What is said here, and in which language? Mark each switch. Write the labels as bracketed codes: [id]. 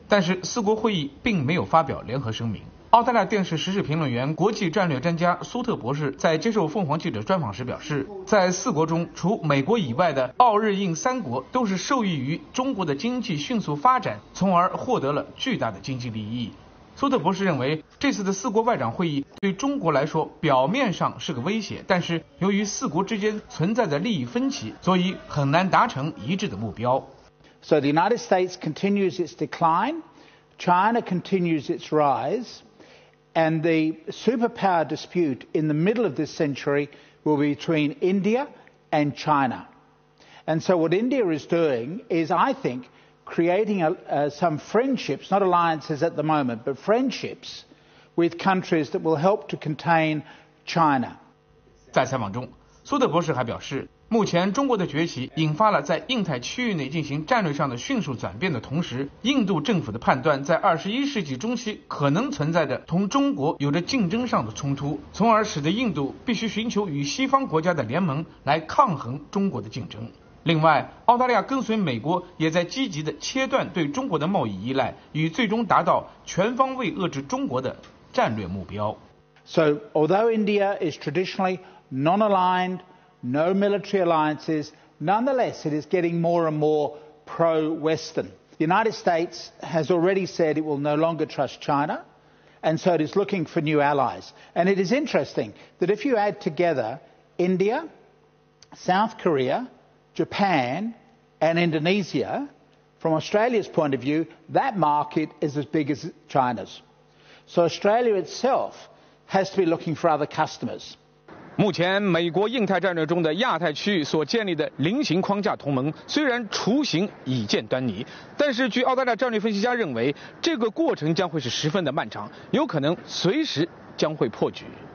[zh] 但是，四国会议并没有发表联合声明。澳大利亚电视时事评论员、国际战略专家苏特博士在接受凤凰记者专访时表示，在四国中，除美国以外的澳日印三国都是受益于中国的经济迅速发展，从而获得了巨大的经济利益。苏特博士认为，这次的四国外长会议对中国来说表面上是个威胁，但是由于四国之间存在的利益分歧，所以很难达成一致的目标。 [en] So the United States continues its decline, China continues its rise, and the superpower dispute in the middle of this century will be between India and China. And so what India is doing is, I think,creating some friendships, not alliances at the moment, but friendships with countries that will help to contain China. [zh] 在采访中，苏特博士还表示，目前中国的崛起引发了在印太区域内进行战略上的迅速转变的同时，印度政府的判断在21世纪中期可能存在着同中国有着竞争上的冲突，从而使得印度必须寻求与西方国家的联盟来抗衡中国的竞争。另外，澳大利亚跟随美国也在积极地切断对中国的贸易依赖，与最终达到全方位遏制中国的战略目标。 [en] So, although India is traditionally non-aligned, no military alliances, nonetheless, it is getting more and more pro-Western. The United States has already said it will no longer trust China, and so it is looking for new allies. And it is interesting that if you add together India, South Korea, Japan, and Indonesia, from Australia's point of view, that market is as big as China's. So Australia itself has to be looking for other customers. [zh] 目前美国印太战略中的亚太区域所建立的菱形框架同盟虽然雏形已见端倪，但是据澳大利亚战略分析家认为，这个过程将会是十分的漫长，有可能随时将会破局。